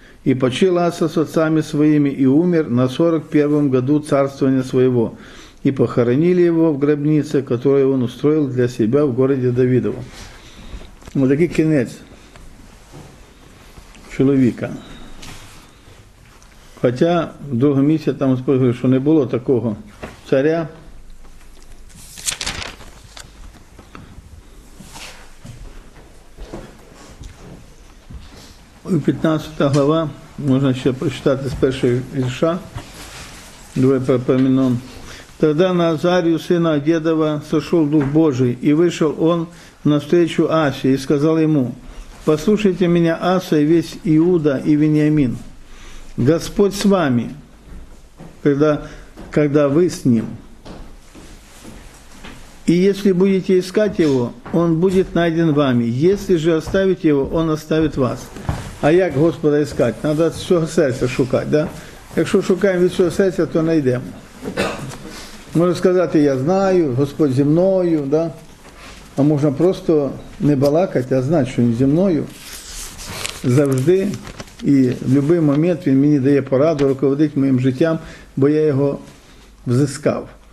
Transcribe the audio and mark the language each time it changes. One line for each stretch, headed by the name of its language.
Russian: И почил Аса с отцами своими, и умер на 41-м году царствования своего, и похоронили его в гробнице, которую он устроил для себя в городе Давидово». Вот такой конец человека.
Ukrainian: Хотя в другому місці там сказали, що не було такого царя. У 15 глава можна ще прочитати з першого вірша. Давай пропомину.
Russian: «Тогда на Азарію, сина Дедова, сошел Дух Божий, и вышел он навстречу Асі и сказал ему: послушайте меня, Аса, и весь Иуда и Вениамин. Господь с вами, когда вы с ним. И если будете искать его, он будет найден вами. Если же оставить его, он оставит вас». А як Господа искать? Надо от всего сердца шукать, да? Якщо шукаем від всего сердца, то найдем. Можно сказать, я знаю, Господь зі мною, да? А можно просто не балакать, а знать, что не зі мною. Завжди.
Ukrainian: І в будь-який момент він мені дає пораду, руководить моїм життям, бо я його взискав.